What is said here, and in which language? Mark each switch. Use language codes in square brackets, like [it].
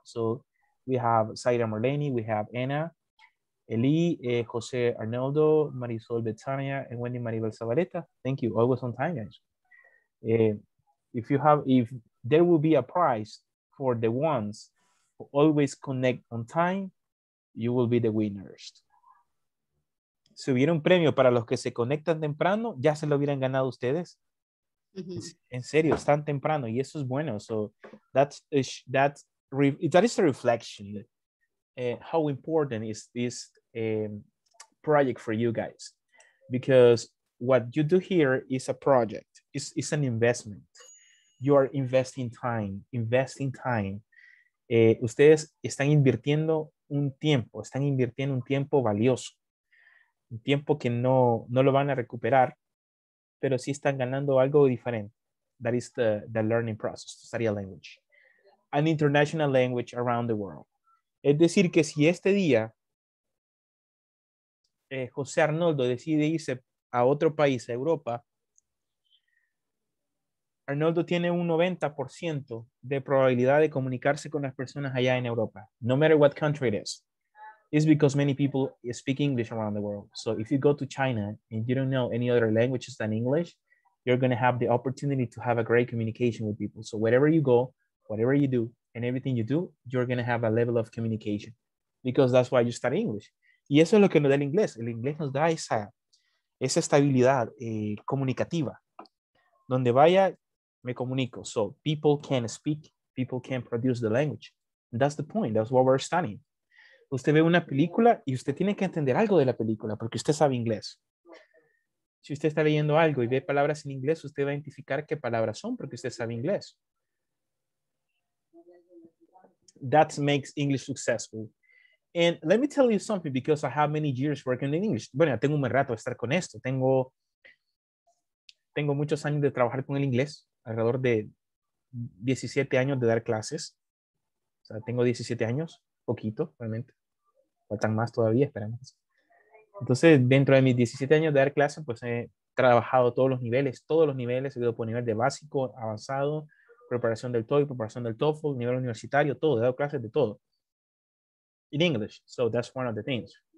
[en] So we have Zaira Marlene, we have Anna, Eli, Jose Arnoldo, Marisol Betania, and Wendy Maribel Zabaleta. Thank you, always on time, guys. If there will be a prize for the ones who always connect on time, you will be the winners. [es] Si hubiera un premio para los que se conectan temprano, ya se lo hubieran ganado ustedes. Mm-hmm. En serio, están temprano, y eso es bueno. [en] So that is a reflection how important is this project for you guys, because what you do here is a project, it's an investment. You are investing time. [es] Ustedes están invirtiendo un tiempo, están invirtiendo un tiempo valioso, un tiempo que no lo van a recuperar, pero sí están ganando algo diferente. [en] That is the learning process, study a language, an international language around the world. [es] Es decir, que si este día José Arnoldo decide irse a otro país, a Europa, Arnoldo tiene un 90% de probabilidad de comunicarse con las personas allá en Europa, [en] no matter what country it is. It's because many people speak English around the world. So if you go to China and you don't know any other languages than English, you're going to have the opportunity to have a great communication with people. So wherever you go, whatever you do, and everything you do, you're going to have a level of communication because that's why you study English. [es] Y eso es lo que nos da el inglés. El inglés nos da esa estabilidad comunicativa. Donde vaya, me comunico. [en] So people can speak, people can produce the language. And that's the point. That's what we're studying. [es] Usted ve una película y usted tiene que entender algo de la película porque usted sabe inglés. Si usted está leyendo algo y ve palabras en inglés, usted va a identificar qué palabras son porque usted sabe inglés. [en] That makes English successful. And let me tell you something, because I have many years working in English. [es] Bueno, tengo un rato de estar con esto. Tengo muchos años de trabajar con el inglés, alrededor de 17 años de dar clases. O sea, tengo 17 años, poquito, realmente. Faltan más todavía, esperamos. Entonces, dentro de mis 17 años de dar clases, pues he trabajado todos los niveles, he ido por nivel de básico, avanzado, preparación del TOEIC, preparación del TOEFL, nivel universitario, todo, he dado clases de todo. [en] In English, so that's one of the things.